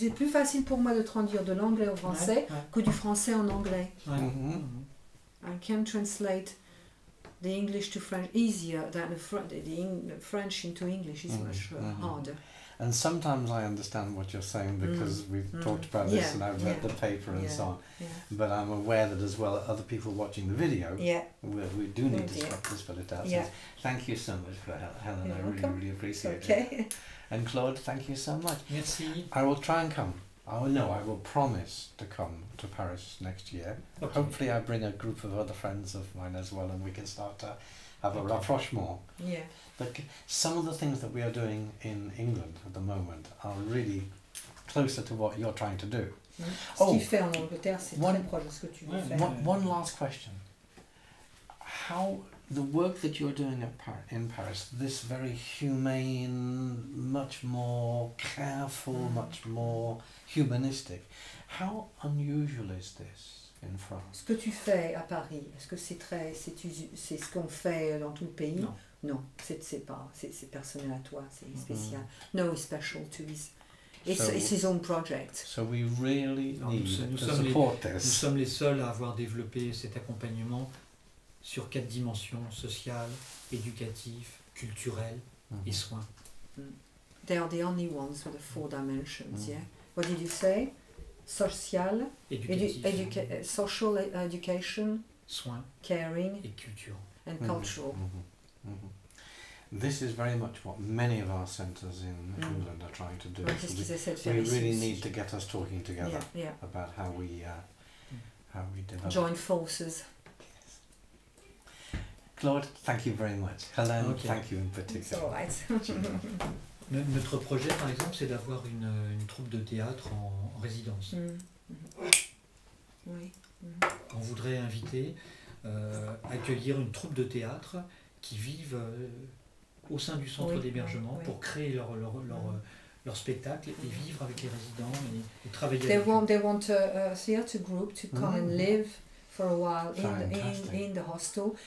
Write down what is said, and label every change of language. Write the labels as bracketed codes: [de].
[fr] C'est plus facile pour moi de traduire de l'anglais au français que du français en anglais. Mm-hmm. [en] I can translate the English to French easier than the French into English is much harder. And sometimes I understand what you're saying because we've talked about this and I've read the paper and so on. Yeah. But I'm aware that as well other people watching the video, we do need to stop this, but it does. Yeah. Thank you so much for Helen. You're I welcome. Really, really appreciate it. Okay. And Claude, thank you so much. [fr] Merci. [en] I will try and come. I will promise to come to Paris next year. Okay. Hopefully I bring a group of other friends of mine as well and we can start to have a rapprochement. Yeah. But some of the things that we are doing in England at the moment are really closer to what you're trying to do. Mm. [fr] Oh, ce qu'il fait en Angleterre, c'est très proche de ce que tu veux faire. [en] One last question. How the work that you're doing in Paris, this very humane, much more careful, much more humanistic, how unusual is this? in France. [fr] Ce que tu fais à Paris, est-ce que c'est très, c'est ce qu'on fait dans tout le pays? Non, non, c'est pas, c'est personnel à toi, c'est spécial. [en] Mm-hmm. No, it's special to his. It's his own project. So we really [fr] nous sommes les seuls à avoir développé cet accompagnement sur quatre dimensions: social, éducatif, culturel et soins. [en] They are the only ones with the four dimensions. Mm. Yeah. What did you say? Social, social education, [fr] soins, [en] caring, [fr] et culture. [en] And cultural. Mm-hmm. Mm-hmm. This is very much what many of our centers in England are trying to do. We really need to get us talking together about how we develop. Join forces. Claude, thank you very much. Hélène, thank you in particular. It's all right. [fr] Notre projet, par exemple, c'est d'avoir une troupe de théâtre en résidence. Mm. Mm-hmm. Oui. Mm-hmm. On voudrait inviter, accueillir une troupe de théâtre qui vive au sein du centre d'hébergement pour créer leur spectacle et vivre avec les résidents et travailler [en] they [fr] avec [en] want, eux. They want a theater group to come and live for a while in the hostel.